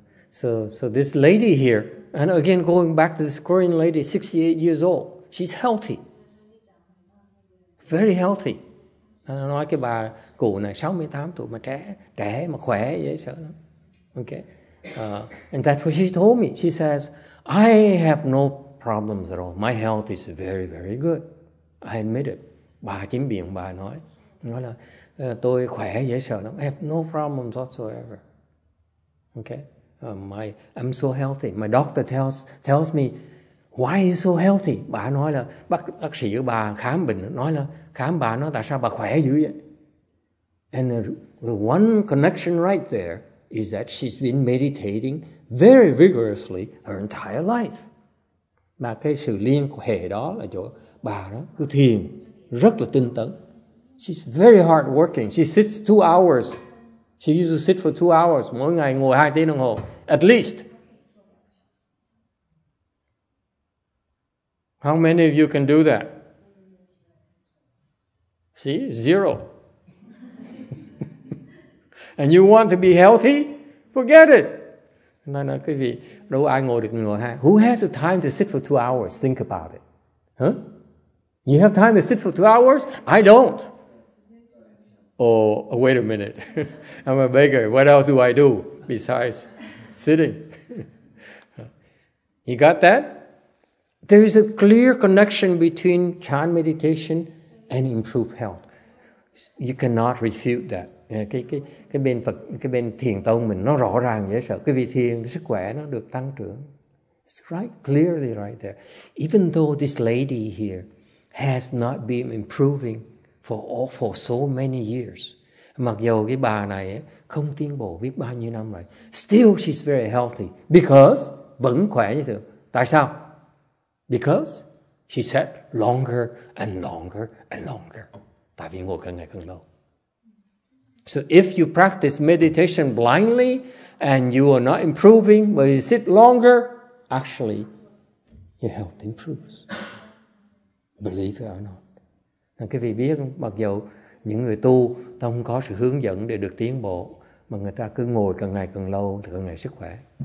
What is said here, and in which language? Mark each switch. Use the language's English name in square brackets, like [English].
[English] So this lady here, and again going back to this Korean lady, 68 years old, she's healthy. Very healthy. [Vietnamese] Nó nói cái bà cụ này 68 tuổi mà trẻ mà khỏe dễ sợ lắm. [English] Okay. And that's what she told me. She says, I have no problems at all. My health is very, very good. I admit it. [Vietnamese] Bà chính miệng bà nói là tôi khỏe dễ sợ lắm. [English] I have no problems whatsoever. Okay. I'm so healthy. My doctor tells me, why are you so healthy? [Vietnamese] Bà nói là bác sĩ của bà khám bệnh nói là khám bà nói tại sao bà khỏe dữ vậy? [English] And the one connection right there is that she's been meditating very vigorously her entire life. [Vietnamese] Mà cái sự liên hệ đó là chỗ bà đó cứ thiền rất là tinh tấn. [English] She's very hardworking. She sits 2 hours. She used to sit for 2 hours. [Vietnamese] Mỗi ngày ngồi 2 tiếng đồng hồ, [English] at least. How many of you can do that? See? Zero. And you want to be healthy? Forget it. [Vietnamese] No, no, quý vị, đâu ai ngồi được ngồi hai. [English] Who has the time to sit for 2 hours? Think about it. Huh? You have time to sit for 2 hours? I don't. Oh, wait a minute. I'm a beggar. What else do I do besides sitting? You got that? There is a clear connection between chan meditation and improved health. You cannot refute that. [Vietnamese] Yeah, cái bên Phật, cái bên thiền tông mình nó rõ ràng dễ sợ. Cái vị thiền, cái sức khỏe nó được tăng trưởng. [English] It's right, clearly right there. Even though this lady here has not been improving for so many years. [Vietnamese] Mặc dù cái bà này ấy, không tiến bộ biết bao nhiêu năm rồi. [English] Still she's very healthy. [Vietnamese] Because? Vẫn khỏe như thường. Tại sao? [English] Because she sat longer and longer and longer. [Vietnamese] Tại vì ngồi càng ngày càng lâu. [English] So if you practice meditation blindly and you are not improving, but you sit longer, actually, your health improves. Believe it or not. [Vietnamese] Quý vị biết, mặc dù những người tu không có sự hướng dẫn để được tiến bộ, mà người ta cứ ngồi càng ngày càng lâu, càng ngày sức khỏe.